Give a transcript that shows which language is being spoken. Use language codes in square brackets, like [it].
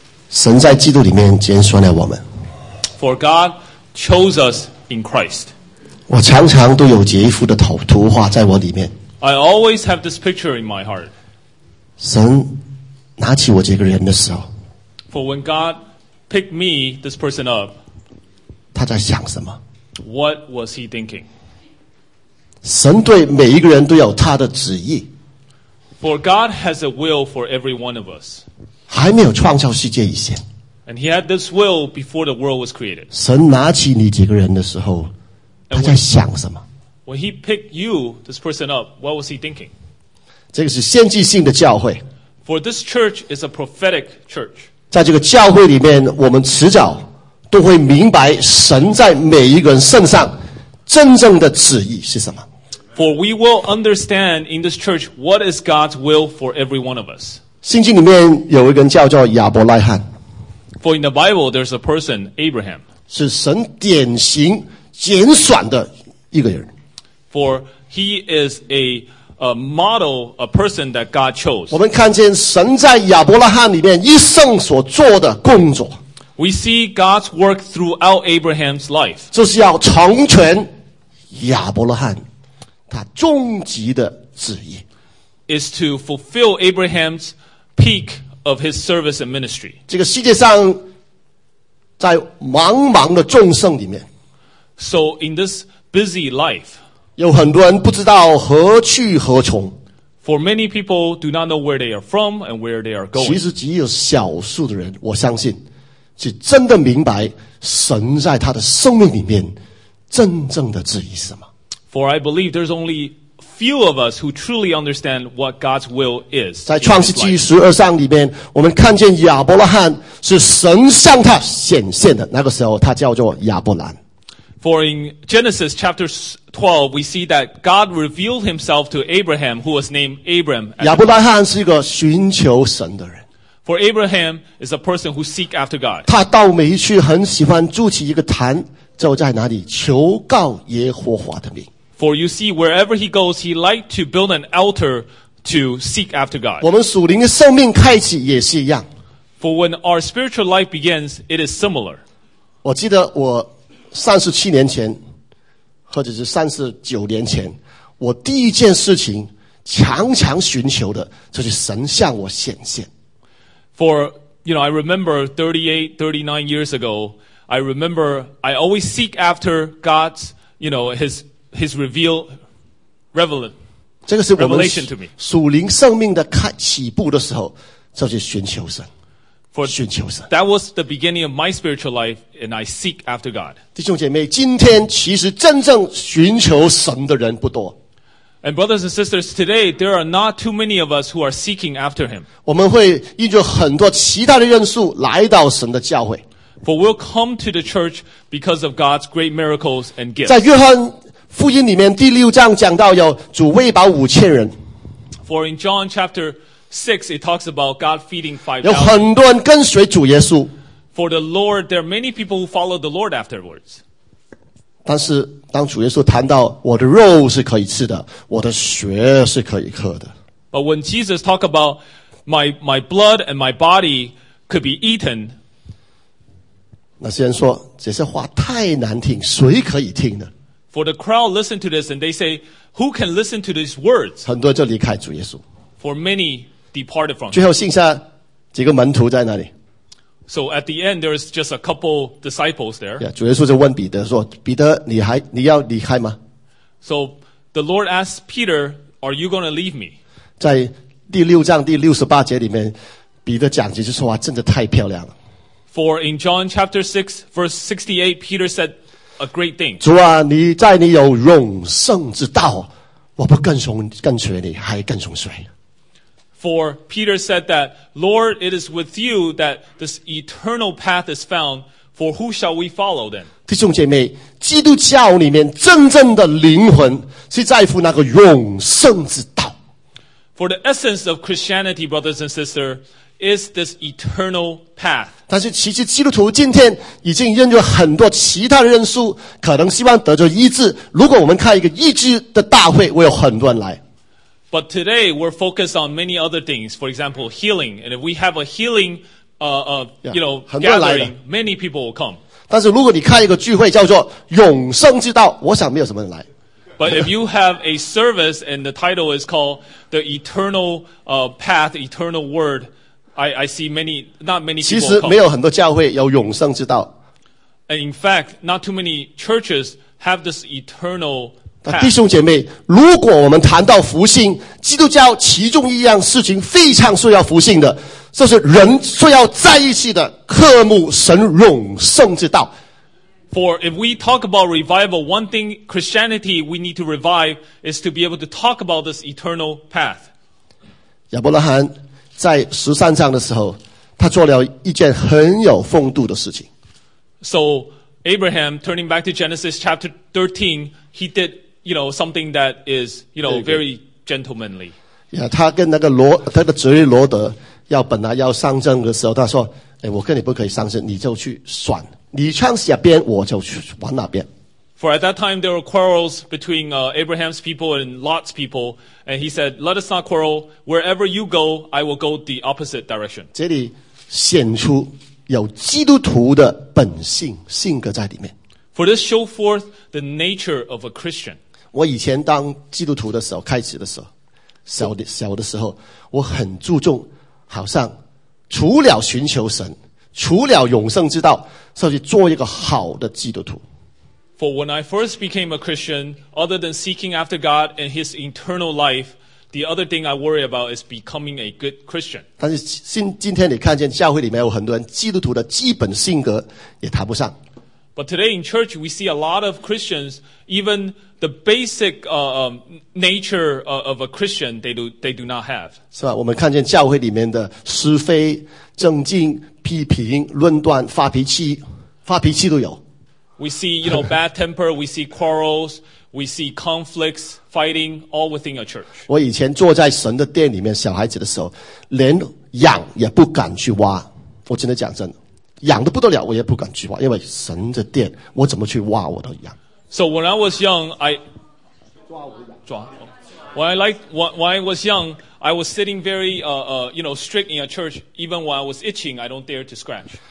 [zh] 神在基督里面拣选了我们。 [en] For God chose us in Christ. [zh] 我常常都有杰夫的图画在我里面。 [en] I always have this picture in my heart. [zh] 神拿起我这个人的时候。 [en] For when God picked me, this person up. [zh] 他在想什么？ [en] What was he thinking? [zh] 神对每一个人都有他的旨意。 [en] For God has a will for every one of us. [zh] 还没有创造世界以前。 [en] And he had this will before the world was created. [zh] 神拿起你这个人的时候，他在想什么？ [en] When he picked you, this person up, what was he thinking? [zh] 这个是先知性的教会。 [en] For this church is a prophetic church. [zh] 在这个教会里面，我们迟早都会明白神在每一个人身上真正的旨意是什么。 [en] For we will understand in this church what is God's will for every one of us. [zh] 圣经里面有一个人叫亚伯拉罕。 [en] For in the Bible there's a person, Abraham. [zh] 是神典型拣选的一个人。 [en] For he is a model, a person that God chose. [zh] 我们看见神在亚伯拉罕里面一生所做的工作。 [en] We see God's work throughout Abraham's life. [zh] 就是要成全亚伯拉罕他终极的旨意。 [en] Is to fulfill Abraham's peak of his service and ministry. [zh] 这个世界上在茫茫的众生里面。 [en] So in this busy life. [zh] 有很多人不知道何去何从。 [en] For many people do not know where they are from and where they are going. [zh] 其实只有少数的人我相信。是真的明白神在他的生命里面真正的旨意是什么。 [en] For I believe there's only few of us who truly understand what God's will is. [zh] 在创世纪十二章里面，我们看见亚伯拉罕是神向他显现的，那个时候他叫做亚伯兰。 [en] For in Genesis chapter 12, we see that God revealed himself to Abraham, who was named Abram. [zh] 亚伯拉罕是一个寻求神的人。 [en] For Abraham is a person who seek after God. [zh] 他到每一处很喜欢筑起一个坛，就在哪里求告耶和华的名。 [en] For you see, wherever he goes, he likes to build an altar to seek after God. [zh] 我们属灵的生命开始也是一样。 [en] For when our spiritual life begins, it is similar. [zh] 我记得我37年前，或者是39年前，我第一件事情常常寻求的就是神向我显现。 [en] For, you know, I remember 38, 39 years ago, I remember I always seek after God's, you know, his revelation to me. [zh] 属灵生命的起步的时候，就是寻求神。寻求神。 [en] That was the beginning of my spiritual life, and I seek after God. [zh] 弟兄姐妹，今天其实真正寻求神的人不多。 [en] And brothers and sisters, today there are not too many of us who are seeking after him. [zh] 我们会依据很多其他的因素来到神的教会。 [en] For we'll come to the church because of God's great miracles and gifts. [zh] 在约翰福音里面第六章讲到有主喂饱五千人。 [en] For in John chapter 6, it talks about God feeding 5,000. [zh] 有很多人跟随主耶稣。 [en] For the Lord, there are many people who follow the Lord afterwards. [zh] 但是当主耶稣谈到我的肉是可以吃的，我的血是可以喝的。 [en] But when Jesus talk about my blood and my body could be eaten, [zh] 那些人说这些话太难听，谁可以听呢？ [en] For the crowd listen to this and they say, who can listen to these words? [zh] 很多人就离开主耶稣。 [en] For many departed from. [zh] 最后剩下几个门徒在那里。 [en] So at the end, there is just a couple disciples there. [zh] Yeah, 主耶稣就问彼得说，彼得，你要离开吗？ [en] So the Lord asked Peter, are you going to leave me? [zh] 在第六章第六十八节里面，彼得讲这句话真的太漂亮了。 [en] For in John chapter 6, verse 68, Peter said a great thing. [zh] 主啊，你在你有永生之道，我不跟随你，还跟随谁？ [en] For Peter said that, Lord, it is with you that this eternal path is found, for who shall we follow then? [zh] 弟兄姐妹，基督教里面真正的灵魂是在乎那个永生之道。 [en] For the essence of Christianity, brothers and sisters, is this eternal path. [zh] 但是其实基督徒今天已经认识很多其他的人数，可能希望得着医治。如果我们看一个医治的大会，会有很多人来。 [en] But today, we're focused on many other things. For example, healing. And if we have a healing gathering, many people will come. [zh] 但是如果你看一个聚会叫做永生之道，我想没有什么人来。 [en] But if you have a service and the title is called the eternal path, eternal word, I see many, not many people. [zh] 其实没有很多教会有永生之道。 [en] And in fact, not too many churches have this eternal path. [zh] 弟兄姐妹，如果我们谈到复兴，基督教其中一样事情非常需要复兴的，就是人需要在一起的，渴慕神永生之道。 [en] For if we talk about revival, one thing Christianity we need to revive is to be able to talk about this eternal path. [zh] 亚伯拉罕在十三章的时候，他做了一件很有风度的事情。 [en] So Abraham, turning back to Genesis chapter 13, he did, you know, something that is, you know, very gentlemanly. [zh] Yeah, 他跟那个罗，他的侄儿罗德要本来要上阵的时候，他说：“哎，我跟你不可以上阵，你就去算。” 你唱哪边，我就去往哪边。 [en] For at that time there were quarrels between Abraham's people and Lot's people, and he said, "Let us not quarrel. Wherever you go, I will go the opposite direction." [zh] 这里显出有基督徒的本性性格在里面。 [en] For this show forth the nature of a Christian. [zh] 我以前当基督徒的时候，开始的时候，小的时候，我很注重，好像除了寻求神。除了永生之道，所以做一个好的基督徒。 [en] For when I first became a Christian, other than seeking after God and His eternal life, the other thing I worry about is becoming a good Christian. [zh] 但是今天你看见教会里面有很多人，基督徒的基本性格也谈不上。 [en] But today in church, we see a lot of Christians, even the basic nature of a Christian, they do not have. [zh] 是吧？我们看见教会里面的是非、正经、批评、论断、发脾气都有。 [en] We see, you know, bad temper, we see quarrels, we see conflicts, fighting, all within a church. [zh] 我以前坐在神的殿里面，小孩子的时候，连痒也不敢去挖。我真的讲真的。痒得不得了，我也不敢去挖，因为神的殿，我怎么去挖我的痒 [en] ？So when I was young, I [zh] 抓我的痒抓。 [en] When I was young, I was sitting very you know strict in a church. Even when I was itching, I don't dare to scratch.